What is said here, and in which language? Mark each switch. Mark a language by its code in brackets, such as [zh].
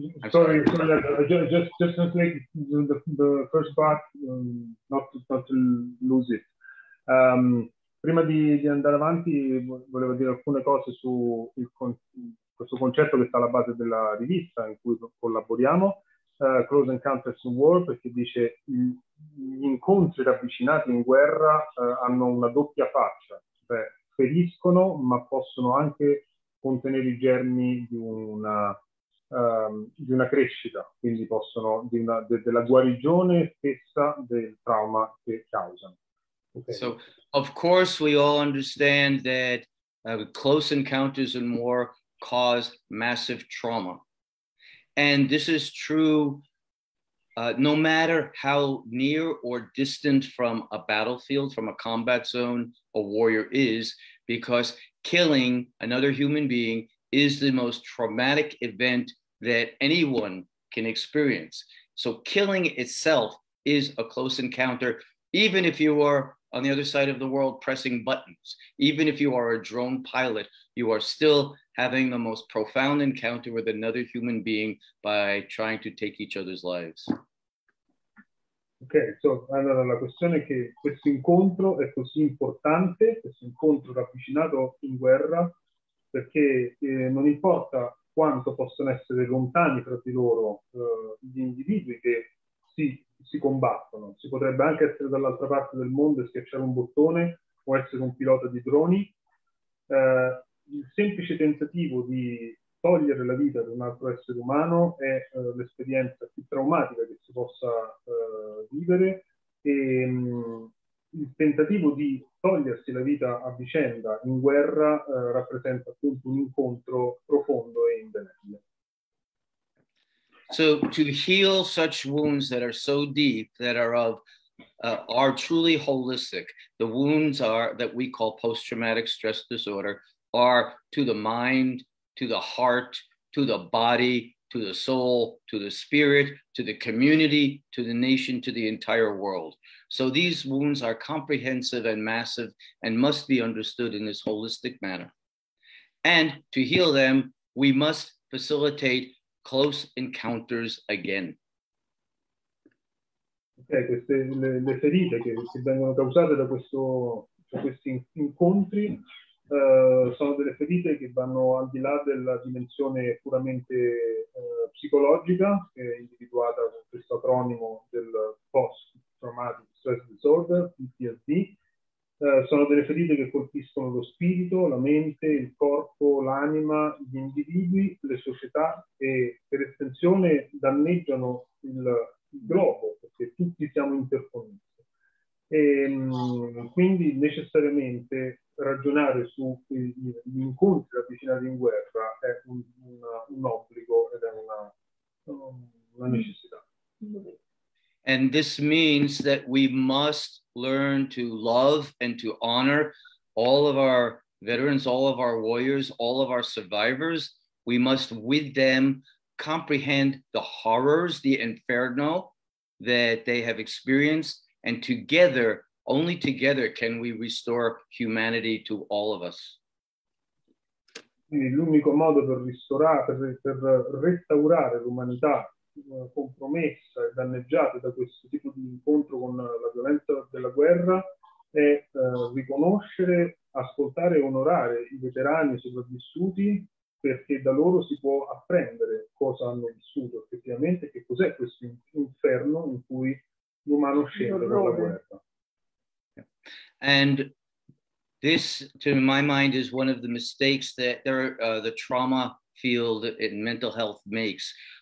[en] Sorry, just translate the first part, not to lose it. [it] Prima di andare avanti, volevo dire alcune cose su questo concetto che sta alla base della rivista in cui collaboriamo, Close Encounters in War, perché dice gli incontri ravvicinati in guerra hanno una doppia faccia, cioè feriscono ma possono anche contenere i germi di una crescita, quindi possono di una, della guarigione stessa del trauma che causano. [en] Okay. So of course we all understand that close encounters in war cause massive trauma, and this is true no matter how near or distant from a battlefield, from a combat zone, a warrior is, because killing another human being is the most traumatic event that anyone can experience. So killing itself is a close encounter, even if you are on the other side of the world pressing buttons, even if you are a drone pilot, you are still having the most profound encounter with another human being by trying to take each other's lives. [it] Okay, so allora la questione è che questo incontro è così importante, questo incontro ravvicinato in guerra, perché non importa quanto possono essere lontani fra di loro gli individui che si combattono, si potrebbe anche essere dall'altra parte del mondo e schiacciare un bottone o essere un pilota di droni. Il semplice tentativo di togliere la vita di un altro essere umano è l'esperienza più traumatica che si possa vivere, e il tentativo di togliersi la vita a vicenda in guerra rappresenta appunto un incontro profondo e indelebile. [en] So to heal such wounds that are so deep, that are of are truly holistic, the wounds are that we call post-traumatic stress disorder, are to the mind, to the heart, to the body, to the soul, to the spirit, to the community, to the nation, to the entire world. So these wounds are comprehensive and massive and must be understood in this holistic manner. And to heal them, we must facilitate close encounters again. [it] Okay, queste le ferite che vengono causate da questo, cioè questi incontri, sono delle ferite che vanno al di là della dimensione puramente psicologica, che è individuata con questo acronimo del Post Traumatic Stress Disorder, PTSD. Sono delle ferite che colpiscono lo spirito, la mente, il corpo, l'anima, gli individui, le società, e per estensione danneggiano il globo, perché tutti siamo interconnessi. E quindi necessariamente ragionare sugli incontri ravvicinati in guerra è un obbligo ed è una necessità. [en] And this means that we must learn to love and to honor all of our veterans, all of our warriors, all of our survivors. We must, with them, comprehend the horrors, the inferno that they have experienced. And together, only together, can we restore humanity to all of us. [it] L'unico modo per ristorare, per restaurare l'umanità compromessa e danneggiata da questo tipo di incontro con la violenza della guerra è riconoscere, ascoltare e onorare i veterani sopravvissuti, perché da loro si può apprendere cosa hanno vissuto effettivamente, che cos'è questo inferno in cui l'umano scende dalla guerra. [en] And this, to my mind, is one of the mistakes that the trauma field in mental health makes.